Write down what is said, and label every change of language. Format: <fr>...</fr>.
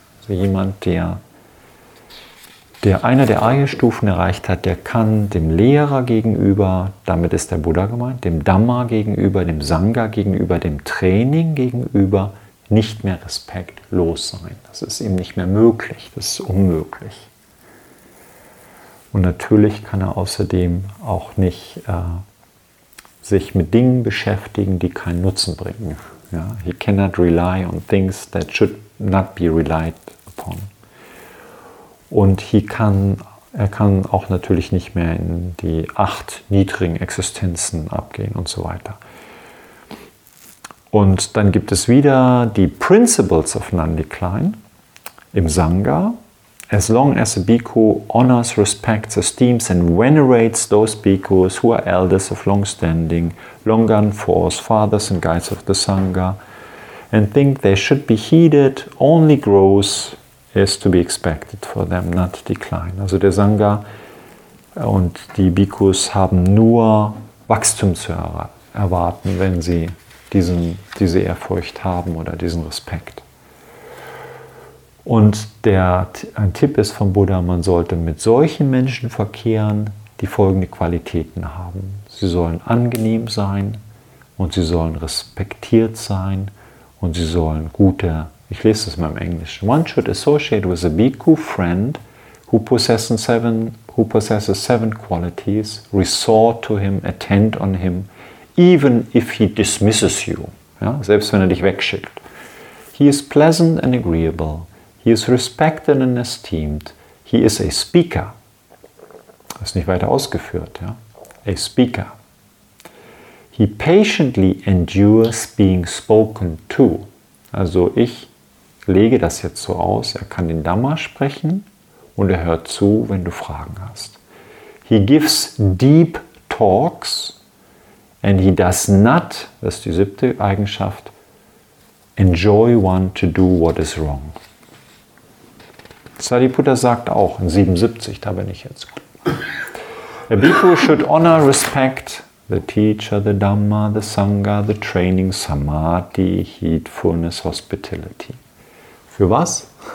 <de>Also jemand, der einer der Arya-Stufen erreicht hat, der kann dem Lehrer gegenüber, damit ist der Buddha gemeint, dem Dhamma gegenüber, dem Sangha gegenüber, dem Training gegenüber nicht mehr respektlos sein. Das ist ihm nicht mehr möglich, das ist unmöglich. Und natürlich kann er außerdem auch nicht sich mit Dingen beschäftigen, die keinen Nutzen bringen. Ja?</de> <en>He cannot rely on things that should not be relied upon.</en> <de>Und er kann auch natürlich nicht mehr in die 8 niedrigen Existenzen abgehen und so weiter. Und dann gibt es wieder die</de> <en>Principles of Non-Decline</en> <de>im Sangha.</de> <en>As long as a bhikkhu honors, respects, esteems and venerates those bhikkhus who are elders of long standing, longan force, fathers and guides of the Sangha, and think they should be heeded, only grows is to be expected for them, not decline.</en> <de>Also der Sangha und die Bhikkhus haben nur Wachstum zu erwarten, wenn sie diese Ehrfurcht haben oder diesen Respekt. Und ein Tipp ist vom Buddha, man sollte mit solchen Menschen verkehren, die folgende Qualitäten haben. Sie sollen angenehm sein und sie sollen respektiert sein und sie sollen ich lese das mal im Englischen.</de> <en>One should associate with a bhikkhu friend who possesses seven qualities, resort to him, attend on him, even if he dismisses you.</en> <de>Ja, selbst wenn er dich wegschickt.</de> <en>He is pleasant and agreeable. He is respected and esteemed. He is a speaker.</en> <de>Das ist nicht weiter ausgeführt. Ja?</de> <en>A speaker. He patiently endures being spoken to.</en> <de>Also ich lege das jetzt so aus, er kann den Dhamma sprechen und er hört zu, wenn du Fragen hast.</de> <en>He gives deep talks and he does not,</en> <de>das ist die 7.</de> <en>Eigenschaft, enjoy one to do what is wrong.</en> <de>Sariputta sagt auch in 77, da bin ich jetzt.</de> <en>A bhikkhu should honor, respect the teacher, the Dhamma, the Sangha, the training, Samadhi, heedfulness, hospitality.</en> <de>Für was?</de>